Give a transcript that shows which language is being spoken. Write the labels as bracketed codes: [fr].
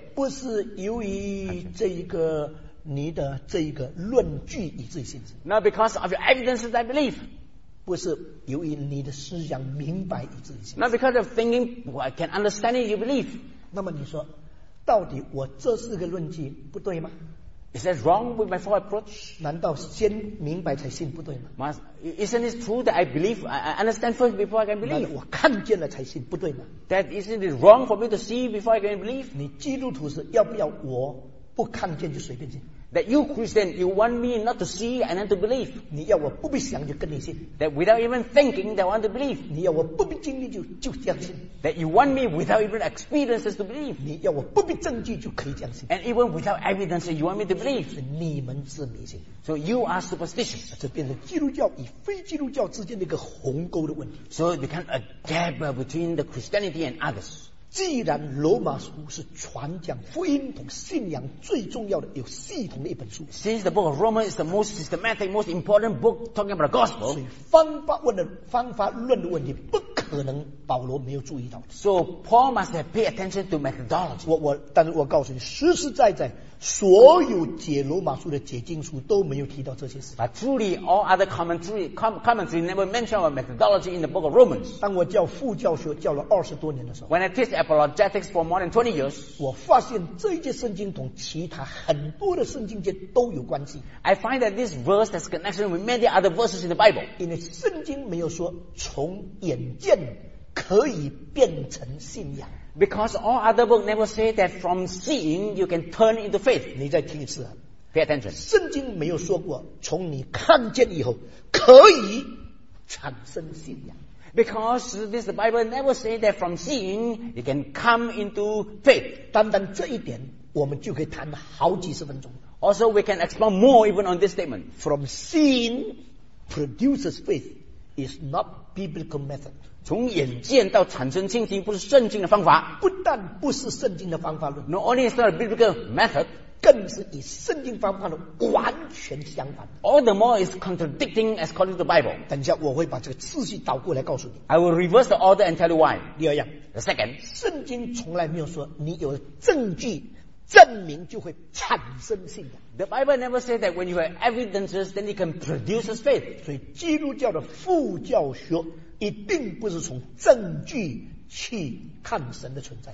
[zh] 不是由于这一个你的这一个论据以至于信心。 [en] Not because of your evidence that I believe. [zh] 不是由于你的思想明白以至于信。 [en] Not because of thinking, I can understand it, you believe. [zh] 那么你说，到底我这四个论据不对吗？ [en] Is that wrong with my four approach? [zh] 难道先明白才信不对吗？ [en] Isn't it true that I believe, I understand first before I can believe? [zh] 我看见了才信不对吗？ [en] That isn't it wrong for me to see before I can believe? [zh] 你基督徒是要不要我不看见就随便信？ [en] That you Christian, you want me not to see and then to believe. [zh] 你要我不必想就跟你信。 [en] That without even thinking, that I want to believe. [zh] 你要我不必经历就相信。 [en] That you want me without even experiences to believe. [zh] 你要我不必证据就可以相信。 [en] And even without evidence, you want me to believe. [zh] 是你们是迷信。 [en] So you are superstitious. [zh] 这变成基督教与非基督教之间的一个鸿沟的问题。 [en] So it becomes a gap between the Christianity and others. [zh] 既然罗马书是传讲福音同信仰最重要的有系统的一本书 [en] Since the book of Romans is the most systematic, most important book talking about the gospel [zh] 所以方法论的问题不可能保罗没有注意到 [en] So Paul must have paid attention to methodology [zh] 但是我告诉你实实在在所有解罗马书的解经书都没有提到这些事 [en] But truly all other commentary never mention our methodology in the book of Romans [zh] 当我教副教学教了二十多年的时候 [en] When I teach apologetics for more than 20 years [zh] 我发现这一节圣经同其他很多的圣经节都有关系 [en] I find that this verse has connection with many other verses in the Bible [zh] 因为圣经没有说从眼见可以变成信仰 [en] Because all other books never say that from seeing you can turn into faith. [zh] 你再听一次啊。 [en] Pay attention. [zh] 圣经没有说过从你看见以后可以产生信仰。 [en] Because this Bible never say that from seeing you can come into faith. [zh] 单单这一点我们就可以谈好几十分钟。 [en] Also we can explore more even on this statement. From seeing produces faith is not biblical method. [zh] 从眼见到产生信心不是圣经的方法不但不是圣经的方法论 [en] Not only is not a biblical method [zh] 更是与圣经方法论完全相反 [en] All the more is contradicting as according to the Bible [zh] 等一下我会把这个次序倒过来告诉你 [en] I will reverse the order and tell you why [zh] 第二样 [en] The second [zh] 圣经从来没有说你有证据证明就会产生信仰 [en] The Bible never said that when you have evidences then it can produce faith [zh] 所以基督教的副教学一定不是从证据去看神的存在。